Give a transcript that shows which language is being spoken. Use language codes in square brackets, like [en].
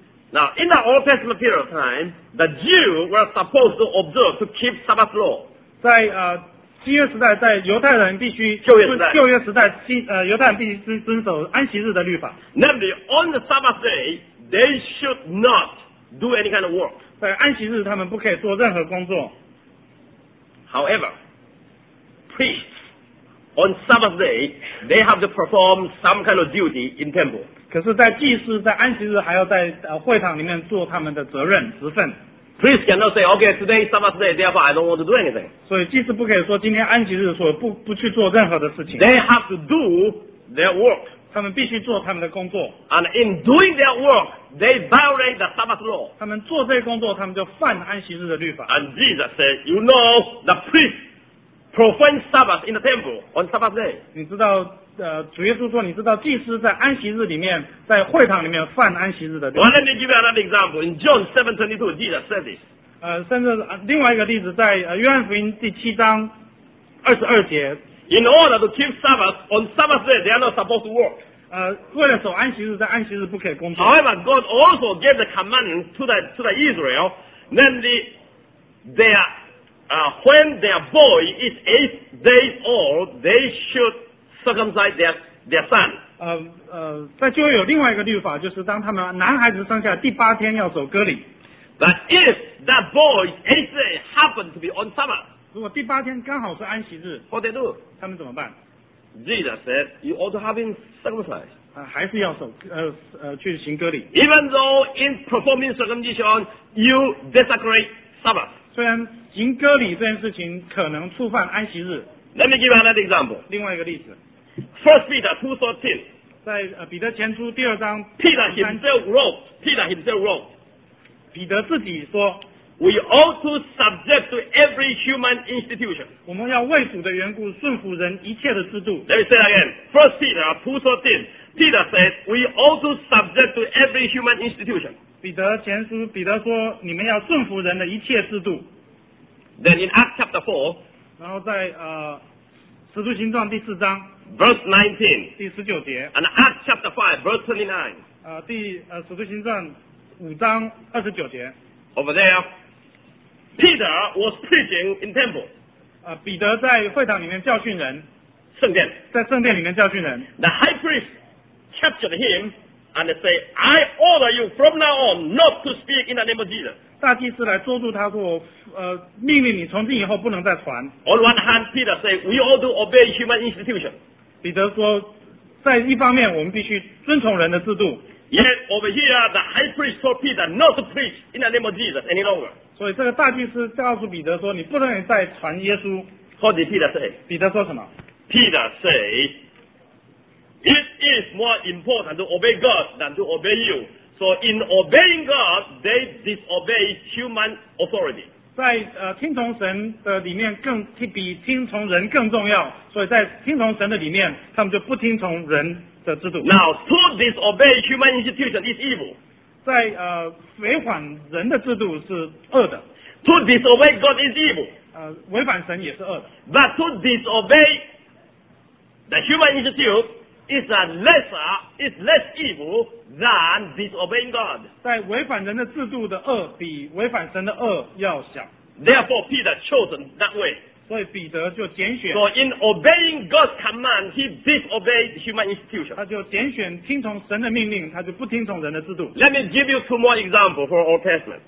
[en] Now in the Old Testament period of time, the Jews were supposed to observe to keep Sabbath law。 [zh] 在新约时代，在犹太人必须旧约时代，犹太人必须遵守安息日的律法。 [en] Namely, on the Sabbath day, they should not do any kind of work。 [zh] 在安息日，他们不可以做任何工作。 [en] However, priests on Sabbath day they have to perform some kind of duty in temple. [zh] 可是，在祭司在安息日还要在会堂里面做他们的责任职分。 [en] Priests cannot say, "Okay, today is Sabbath day, therefore I don't want to do anything." [zh] 所以，祭司不可以说今天安息日，所以不去做任何的事情。 [en] They have to do their work. [zh] 他们必须做他们的工作。 [en] And in doing their work, they violate the Sabbath law. [zh] 他们做这些工作，他们就犯安息日的律法。 [en] And Jesus said, "You know, the priests profane Sabbath in the temple on Sabbath day." [zh] 你知道，主耶稣说，你知道祭司在安息日里面，在会堂里面犯安息日的律法。 [en] Well, let me give you another example. In John 7:22, Jesus said this. [zh] 甚至另外一个例子，在约翰福音第七章二十二节。 [en] In order to keep Sabbath, on Sabbath day, they are not supposed to work. [zh] 为了守安息日，在安息日不可以工作。 [en] However, God also gave the command to the Israel, namely, when their boy is 8 days old, they should circumcise their son. [zh] 在旧约有另外一个律法，就是当他们男孩子生下第八天要守割礼。 [en] But if that boy 8 days happened to be on Sabbath, [zh] 如果第八天刚好是安息日 [en] ，What they do？ [zh] 他们怎么办 [en] ？Jesus said, "You ought to have been circumcised." [zh] 还是要守去行割礼。 [en] Even though in performing circumcision you desecrate Sabbath， [zh] 虽然行割礼这件事情可能触犯安息日。 [en] Let me give another example。 [zh] 另外一个例子 [en] ，First Peter 2:13， [zh] 在彼得前书第二章 [en] ，Peter himself wrote， [zh] 彼得自己说。 [en] We ought to subject to every human institution. [zh] 我们要为主的缘故顺服人一切的制度。 [en] Let me say again. First Peter 2:13. Peter said, "We ought to subject to every human institution." [zh] 彼得前书彼得说，你们要顺服人的一切制度。 [en] Then in Acts chapter 4. [zh] 然后在使徒行传第四章 [en] ，verse 19. [zh] 第十九节。 [en] And Acts chapter 5, verse 29. [zh] 使徒行传五章二十九节。 [en] Over there, Peter was preaching in temple. [zh] 彼得在会堂里面教训人。圣殿。在圣殿里面教训人。 [en] The high priest captured him and said, "I order you from now on not to speak in the name of Jesus." [zh] 大祭司来捉住他说，命令你从今以后不能再传。 [en] On one hand, Peter said, "We ought to obey human institution." [zh] 彼得说，在一方面我们必须遵从人的制度。 [en] Yet over here, the high priest told Peter not to preach in the name of Jesus any longer. [zh] 所以这个大祭司告诉彼得说，你不能再传耶稣。 [en] What did Peter say? [zh] 彼得说什么 [en] ？Peter said, "It is more important to obey God than to obey you." So in obeying God, they disobey human authority. [zh] 在听从神的里面更比听从人更重要，所以在听从神的里面，他们就不听从人的制度。 [en] Now to disobey human institution is evil. [zh] 在违反人的制度是恶的。 [en] To disobey God is evil. [zh] 违反神也是恶的。 [en] But to disobey the human institute is a lesser, is less evil than disobeying God. [zh] 在违反人的制度的恶比违反神的恶要小。 [en] Therefore, Peter chose that way. [zh] 所以彼得就拣选。 [en] So in obeying God's command, he disobeyed human institution. [zh] 他就拣选听从神的命令，他就不听从人的制度。 [en] Let me give you two more examples for Old Testament.